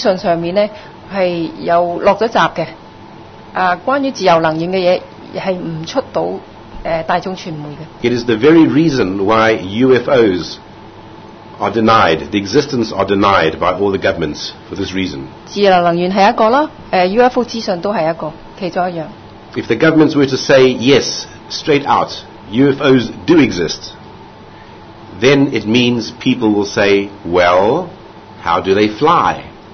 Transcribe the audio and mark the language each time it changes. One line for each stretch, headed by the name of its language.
Chinese: 現在這個問題有一部分的原因就是在傳媒的資訊上是有落閘的。關於自由能源的東西是不出到大眾傳媒的。
English: It is the very reason why UFOs are denied, the existence are denied by all the governments for this reason.
Chinese: 自由能源是一個,UFO資訊也是一個,其中一樣。
English: If the governments were to say yes, straight out, UFOs do exist, then it means people will say, well, how do they fly?